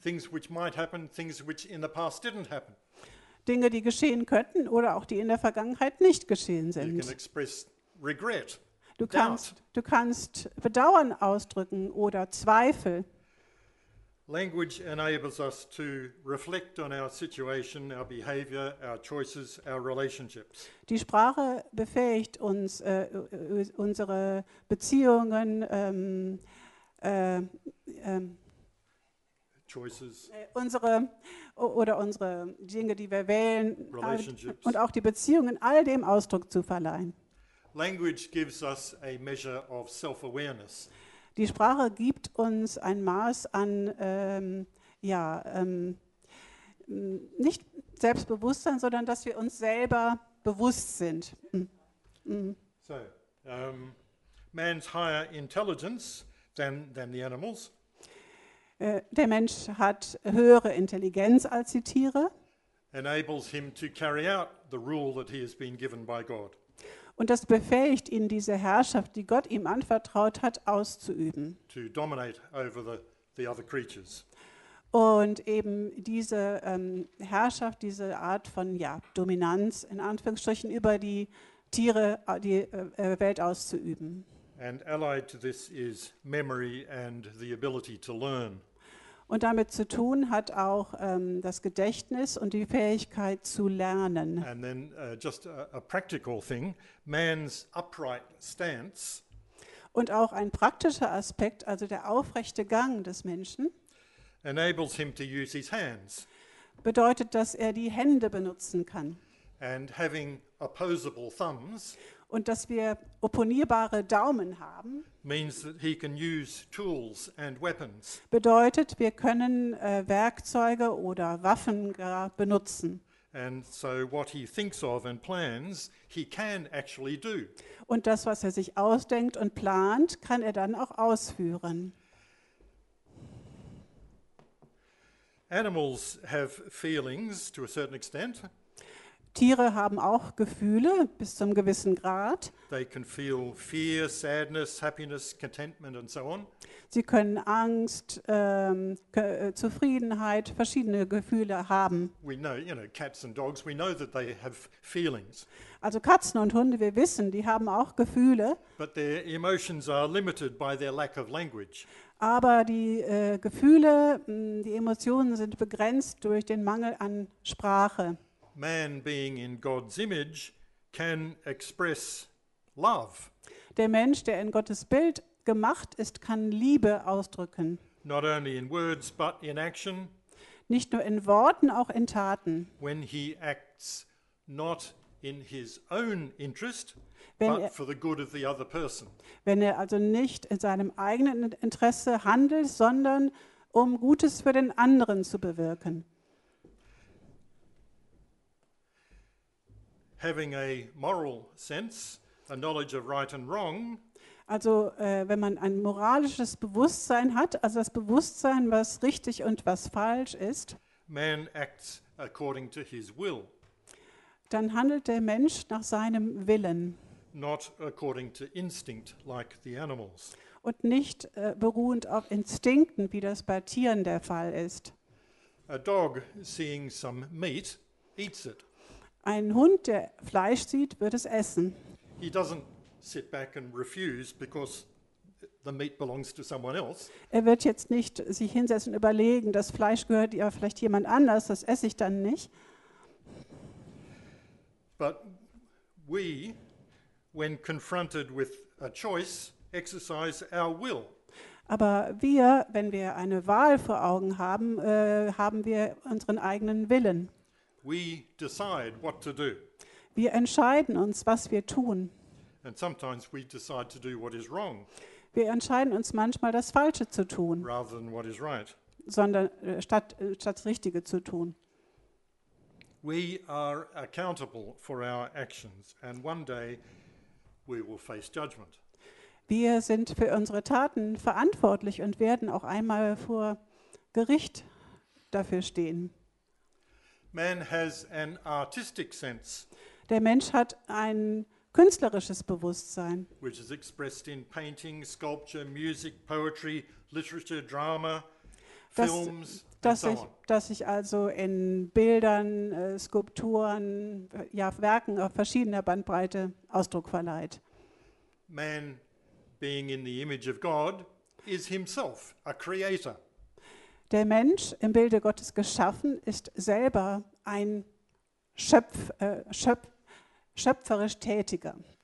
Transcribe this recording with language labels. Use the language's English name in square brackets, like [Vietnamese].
[English] Things which might happen, things which in the past didn't happen. [German] Dinge, die geschehen könnten oder auch die in der Vergangenheit nicht geschehen sind. [English] You can express regret. [German] Du kannst Bedauern ausdrücken oder Zweifel. [English] Language enables us to reflect on our situation, our behavior, our choices, our relationships. [German] Die Sprache befähigt uns, unsere Beziehungen, [English] choices. [German] Unsere Dinge, die wir wählen, und auch die Beziehungen, all dem Ausdruck zu verleihen. [English] Language gives us a measure of self-awareness. [German] Die Sprache gibt uns ein Maß an nicht Selbstbewusstsein, sondern dass wir uns selber bewusst sind. [English] So, man's higher intelligence than the animals. [German] Der Mensch hat höhere Intelligenz als die Tiere. [English] Enables him to carry out the rule that he has been given by God. [German] Und das befähigt ihn, diese Herrschaft, die Gott ihm anvertraut hat, auszuüben. [English] To dominate over the other creatures. [German] Und eben diese Herrschaft, diese Art von Dominanz in Anführungsstrichen über die Tiere, die Welt auszuüben. [English] And allied to this is memory and the ability to learn. [German] Und damit zu tun hat auch das Gedächtnis und die Fähigkeit zu lernen. [English] And then just a practical thing, man's upright stance. [German] Und auch ein praktischer Aspekt, also der aufrechte Gang des Menschen. [English] Enables him to use his hands. [German] Bedeutet, dass er die Hände benutzen kann. [English] And having opposable thumbs. [German] Und dass wir opponierbare Daumen haben. [English] Means that he can use tools and weapons. [German] Bedeutet, wir können Werkzeuge oder Waffen benutzen. [English] And so what he thinks of and plans, he can actually do. [German] Und das, was er sich ausdenkt und plant, kann er dann auch ausführen. [English] Animals have feelings to a certain extent. [German] Tiere haben auch Gefühle bis zum gewissen Grad. [English] They can feel fear, sadness, happiness, contentment and so on. [German] Sie können Angst, Zufriedenheit, verschiedene Gefühle haben. [English] We know, you know, cats and dogs, we know that they have feelings. [German] Also Katzen und Hunde, wir wissen, die haben auch Gefühle. [English] But their emotions are limited by their lack of language. [German] Aber die Gefühle, die Emotionen sind begrenzt durch den Mangel an Sprache. [English] Man being in God's image can express love. [German] Der Mensch, der in Gottes Bild gemacht ist, kann Liebe ausdrücken. [English] Not only in words, but in action. [German] Nicht nur in Worten, auch in Taten. [English] When he acts not in his own interest, but for the good of the other person. [German] Wenn er also nicht in seinem eigenen Interesse handelt, sondern um Gutes für den anderen zu bewirken. [English] Having a moral sense, a knowledge of right and wrong. [German] Also wenn man ein moralisches Bewusstsein hat, also das Bewusstsein, was richtig und was falsch ist. [English] Man acts according to his will. [German] Dann handelt der Mensch nach seinem Willen. [English] Not according to instinct like the animals. [German] Und nicht beruhend auf Instinkten, wie das bei Tieren der Fall ist. [English] A dog seeing some meat eats it. [German] Ein Hund, der Fleisch sieht, wird es essen. [English] He doesn't sit back and refuse because the meat belongs to someone else. [German] Er wird jetzt nicht sich hinsetzen und überlegen, das Fleisch gehört ja vielleicht jemand anders, das esse ich dann nicht. [English] But we, when confronted with a choice, exercise our will. [German] Aber wir, wenn wir eine Wahl vor Augen haben, haben wir unseren eigenen Willen. [English] We decide what to do. [German] Wir entscheiden uns, was wir tun. [English] And sometimes we decide to do what is wrong. [German] Wir entscheiden uns manchmal, das Falsche zu tun. [English] Rather than what is right. [German] Sondern statt das Richtige zu tun. [English] We are accountable for our actions, and one day we will face judgment. [German] Wir sind für unsere Taten verantwortlich und werden auch einmal vor Gericht dafür stehen. [English] Man has an artistic sense. [German] Der Mensch hat ein künstlerisches Bewusstsein. [English] Which is expressed in painting, sculpture, music, poetry, literature, drama, [German] das, [English] films, [German] dass [English] and so [German] ich, [English] on. [German] Dass sich also in Bildern, Skulpturen, Werken auf verschiedener Bandbreite Ausdruck verleiht. [English] Man, being in the image of God, is himself a creator. [German] Der Mensch im Bilde Gottes geschaffen ist selber ein schöpferisch Tätiger.